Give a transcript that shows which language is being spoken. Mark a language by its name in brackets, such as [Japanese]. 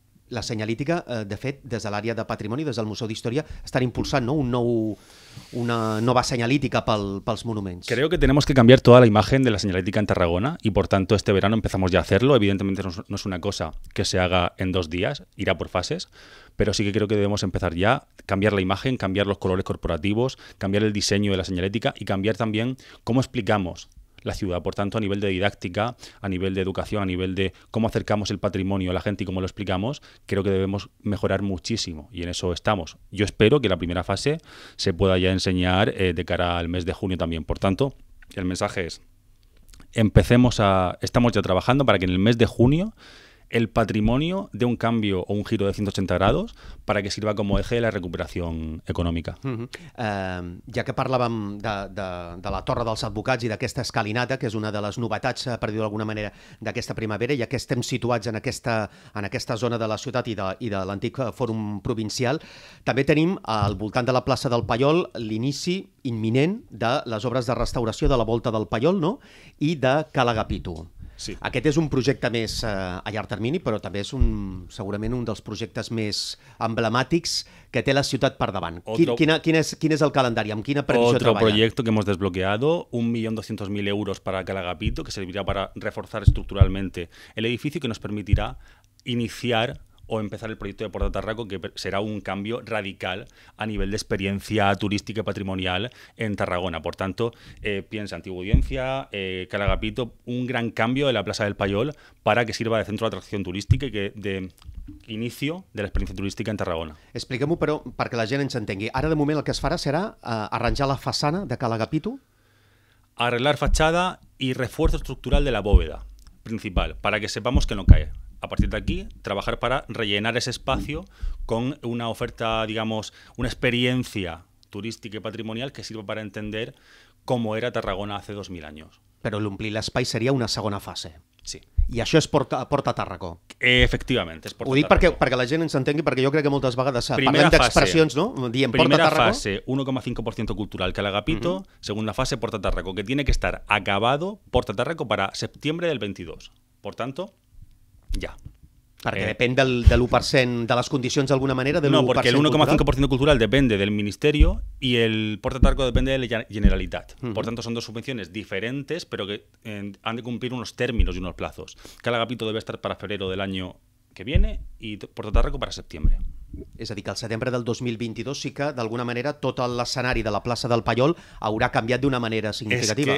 [Catalan] La senyalítica, de fet, des de l'àrea de patrimoni, des del Museu d'Història, estan impulsant, no?, una nova senyalítica pels monuments. [Spanish] Creo que tenemos que cambiar toda la imagen de la senyalítica en Tarragona y, por tanto, este verano empezamos ya a hacerlo. Evidentemente no es una cosa que se haga en dos días, irá por fases, pero sí que creo que debemos empezar ya a cambiar la imagen, cambiar los colores corporativos, cambiar el diseño de la señalética y cambiar también cómo explicamos la ciudad. Por tanto, a nivel de didáctica, a nivel de educación, a nivel de cómo acercamos el patrimonio a la gente y cómo lo explicamos, creo que debemos mejorar muchísimo y en eso estamos. Yo espero que la primera fase se pueda ya enseñar de cara al mes de junio también. Por tanto, el mensaje es, estamos ya trabajando para que en el mes de junio el patrimonio de un cambio o un giro de 180 grados para que sirva como eje de la recuperación económica. [Catalan] Ja que parlàvem de la Torre dels Advocats i d'aquesta escalinata, que és una de les novetats, per dir-ho d'alguna manera, d'aquesta primavera, ja que estem situats en aquesta zona de la ciutat i de l'antic Fòrum Provincial, també tenim al voltant de la plaça del Paiol l'inici imminent de les obres de restauració de la Volta del Paiol, no?, i de Cala Gapitu. Sí. Aquest és un projecte més a llarg termini, però també és segurament un dels projectes més emblemàtics que té la ciutat per davant. Quin és el calendari? Amb quina previsió treballa? [Spanish] Otro proyecto que hemos desbloqueado, 1.200.000 euros para Cala Gapitu, que servirá para reforzar estructuralmente el edificio que nos permitirá iniciar o empezar el proyecto de Porta Tarraco, que será un cambio radical a nivel de experiencia turística y patrimonial en Tarragona. Por tanto, piensa Antigua Audiencia, Cala Gapitu, un gran cambio de la Plaza del Paiol para que sirva de centro de atracción turística y que de inicio de la experiencia turística en Tarragona. [Catalan] Expliquem-ho, però, perquè la gent ens entengui. Ara, de moment, el que es farà serà arranjar la façana de Cala Gapitu? [Spanish] Arreglar fachada y refuerzo estructural de la bóveda principal, para que sepamos que no cae. A partir de aquí, trabajar para rellenar ese espacio con una oferta, digamos, una experiencia turística y patrimonial que sirva para entender [Catalan] com era Tarragona [Spanish] hace [Catalan] 2.000 anys. Però l'omplir l'espai seria una segona fase. Sí. I això és Porta Tàrraco. Efectivament, és Porta Tàrraco. Ho dic perquè la gent ens entengui, perquè jo crec que moltes vegades parlem d'expressions, no? Diem Porta Tàrraco. [Spanish] Primera fase, 1,5% cultural, que l'agapito. Uh-huh. Segunda fase, Porta Tàrraco, que tiene que estar acabado Porta Tàrraco para septiembre del 22. Por tanto, ya. [Catalan] Perquè depèn de l'1%, de les condicions d'alguna manera, de l'1% cultural. No, perquè l'1,5% cultural [Spanish] depende del [Catalan] Ministeri i el Porta Tàrraco [Spanish] depende de la [Catalan] Generalitat. Uh-huh. Por tanto, són dues subvencions diferents, però que han de complir uns [Spanish] términos [Catalan] i uns [Spanish] plazos. Cal agapito debe estar para febrero del año que viene y Porta Tàrraco para septiembre. [Catalan] És a dir, que al setembre del 2022 sí que, d'alguna manera, tot l'escenari de la plaça del Pallol haurà canviat d'una manera significativa.